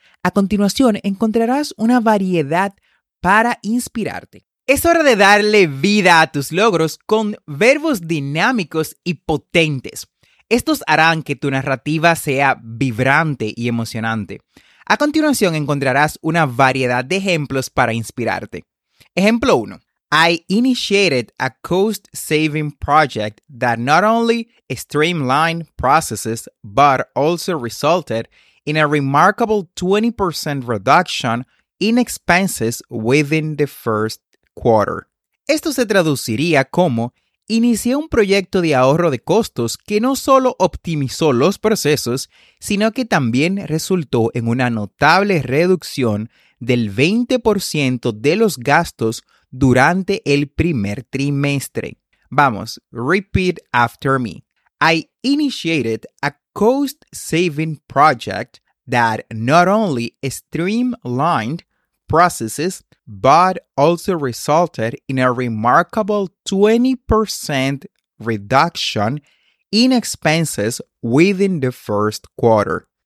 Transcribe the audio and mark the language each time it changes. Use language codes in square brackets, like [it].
[es] A continuación, encontrarás una variedad para inspirarte. Es hora de darle vida a tus logros con verbos dinámicos y potentes. Estos harán que tu narrativa sea vibrante y emocionante. A continuación, encontrarás una variedad de ejemplos para inspirarte. Ejemplo 1. [en] I initiated a cost-saving project that not only streamlined processes, but also resulted in a remarkable 20% reduction in expenses within the first quarter. [es] Esto se traduciría como, inicié un proyecto de ahorro de costos que no solo optimizó los procesos, sino que también resultó en una notable reducción del 20% de los gastos durante el primer trimestre. Vamos, [en] repeat after me. I initiated a cost-saving project that not only streamlined processes, but also resulted in a remarkable 20% reduction in expenses within the first quarter.